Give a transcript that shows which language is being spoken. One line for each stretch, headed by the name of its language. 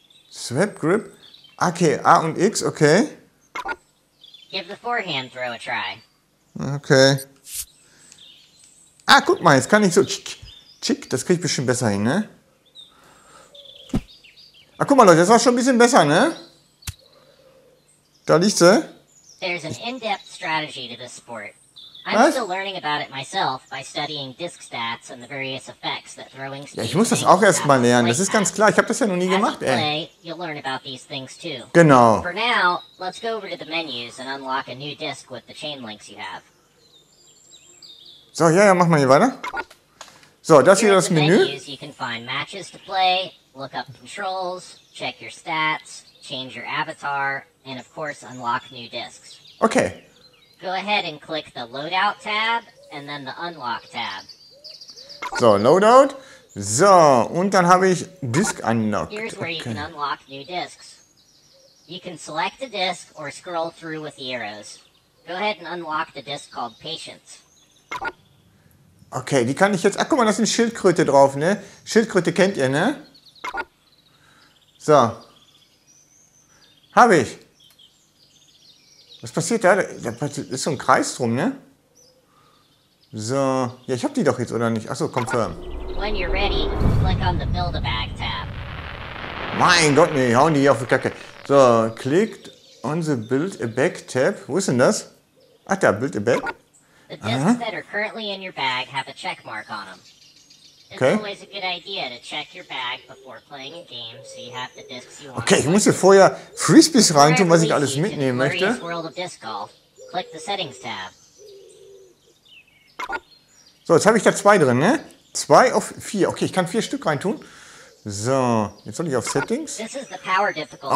English: Swap grip? Okay, A und X, okay. Give the forehand throw a try. Okay.
German: Ah, guck mal, jetzt kann ich so tschick, das krieg ich bestimmt besser hin, ne? Ah, guck mal, Leute, das war schon ein bisschen besser, ne? Da liegt sie.
English: There's an in-depth strategy to this sport. I'm still learning about it myself by studying disc stats and the various effects that throwing speed.
German: Ja, ich muss das auch erstmal lernen. Das ist ganz klar. Ich habe das ja noch nie gemacht, ey.
English: You'll learn about these things too.
German: Genau.
English: For now, let's go over to the menus and unlock a new disc with the chain links you have.
German: So, ja, mach mal hier weiter. So, das hier das Menü.
English: You can find matches to play, look up controls, check your stats, change your avatar and of course unlock new discs. Okay. Go ahead and click the Loadout tab and then the Unlock tab.
German: So, Loadout. So, und dann habe ich Disc Unlocked.
English: Here's where you can unlock new discs. You can select a disc or scroll through with the arrows. Go ahead and unlock the disc called Patience.
German: Okay, die kann ich jetzt... Ach, guck mal, da ist eine Schildkröte drauf, ne? Schildkröte kennt ihr, ne? So. Habe ich. Was passiert da? Da ist so ein Kreis drum, ne? So, ja, ich hab die doch jetzt, oder nicht? Achso, confirm.
English: When you're ready, click on the Build-A-Bag tab.
German: Mein Gott, nee, hauen die hier auf die Kacke. So, klickt
English: on the Build-A-Bag tab.
German: Wo ist denn das? Ach, da, Build-A-Bag.
English: The discs that are currently in your bag have a checkmark on them. Okay. It's always a good idea to check your bag before playing a game, so you have the discs you want.
German: Okay, ich muss hier vorher Frisbees reintun, was ich alles mitnehmen möchte.
English: Click the Settings tab.
German: So, jetzt habe ich da zwei drin, ne? Zwei auf vier. Okay, ich kann vier Stück reintun. So, jetzt soll ich auf Settings.
English: This is the power difficulty.